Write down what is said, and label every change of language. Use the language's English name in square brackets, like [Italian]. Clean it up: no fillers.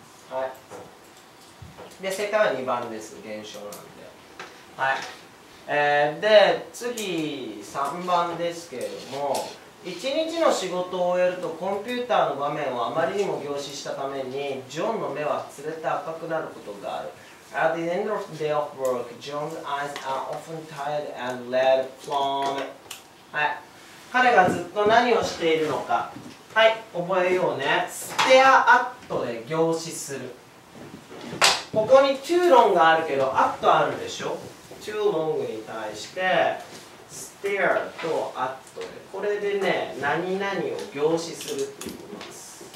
[Japanese] はい、で正解は2番です。現象なんで。はい、で次3番ですけれども、1日の仕事を終えるとコンピューターの画面をあまりにも凝視したためにジョンの目はつれて赤くなることがある。 [English] At the end of the day of work, John's eyes are often tired and red from... [Japanese] はい、彼がずっと何をしているのか。はい、覚えようね。ステアアットで凝視する。ここに too long があるけど、アットあるでしょ。too long に対して stare とアットで、これでね、何々を凝視するって言います。